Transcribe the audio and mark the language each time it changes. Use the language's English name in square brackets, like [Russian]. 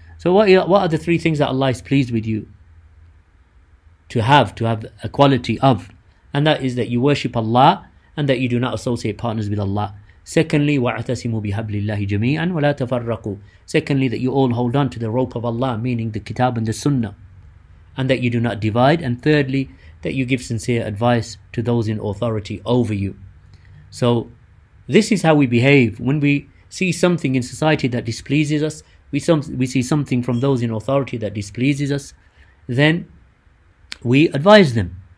[English] So what are the three things that Allah is pleased with you to have a quality of? And that is that you worship Allah and that you do not associate partners with Allah. Secondly, [Arabic] وَعْتَسِمُوا بِهَبْلِ اللَّهِ جَمِيعًا وَلَا تَفَرَّقُوا. [English] Secondly, that you all hold on to the rope of Allah, meaning the kitab and the sunnah, and that you do not divide. And thirdly, that you give sincere advice to those in authority over you. So this is how we behave. When we see something in society that displeases us, we see something from those in authority that displeases us, then we advise them.